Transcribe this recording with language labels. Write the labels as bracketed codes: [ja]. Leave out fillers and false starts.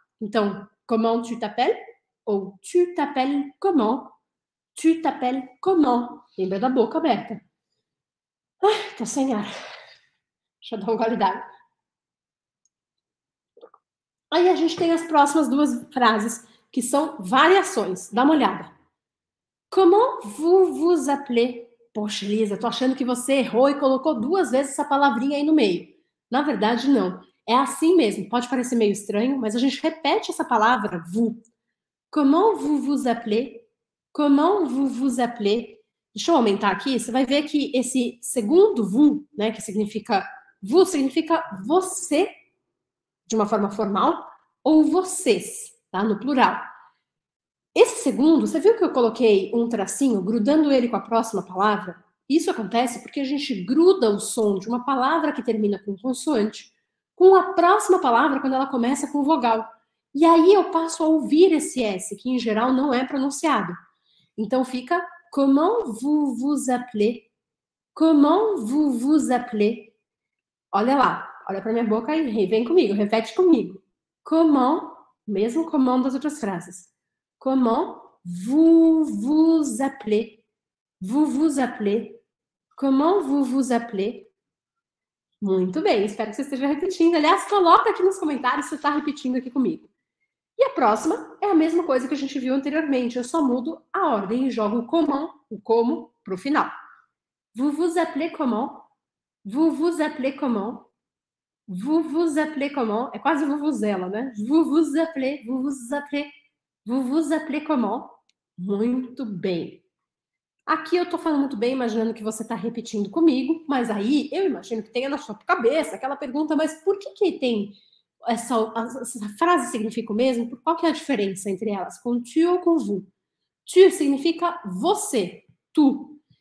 [pt] Então, [fr] comment tu t'appelles? Ou tu t'appelles comment? Tu t'appelles comment? [pt] Lembra da boca aberta. Ai, tô sem ar. Deixa eu dar uma qualidade. Aí a gente tem as próximas duas frases, que são variações. Dá uma olhada. [fr] Comment vous vous appelez? [pt] Poxa, Elisa, tô achando que você errou e colocou duas vezes essa palavrinha aí no meio. Na verdade, não. É assim mesmo. Pode parecer meio estranho, mas a gente repete essa palavra, vous. [fr] Comment vous vous appelez? Comment vous vous appelez? [pt] Deixa eu aumentar aqui. Você vai ver que esse segundo vous, né, que significa vous, significa você, de uma forma formal, ou vocês, tá? No plural. Esse segundo, você viu que eu coloquei um tracinho grudando ele com a próxima palavra? Isso acontece porque a gente gruda o som de uma palavra que termina com consoante com a próxima palavra quando ela começa com vogal. E aí eu passo a ouvir esse S, que em geral não é pronunciado. Então fica: [fr] comment vous vous appelez? Comment vous vous appelez? [pt] Olha lá, olha para minha boca e vem comigo, repete comigo. [fr] Comment, [pt] mesmo comment das outras frases. [fr] Comment vous vous appelez? Vous vous appelez? Comment vous vous appelez? [pt] Muito bem, espero que você esteja repetindo. Aliás, coloca aqui nos comentários se você está repetindo aqui comigo. E a próxima é a mesma coisa que a gente viu anteriormente. Eu só mudo a ordem e jogo o comment, o como, para o final. [fr] Vous vous appelez comment? Vous vous appelez comment? Vous vous appelez comment? [pt] É quase vuvuzela, né? [fr] Vous vous appelez, vous vous appelez. Vous vous appelez comment? [pt] Muito bem. Aqui eu estou falando muito bem, imaginando que você está repetindo comigo, mas aí eu imagino que tenha na sua cabeça aquela pergunta, mas por que que tem essa frase significa o mesmo? Qual que é a diferença entre elas? Com tu ou com vous? Tu significa você, tu.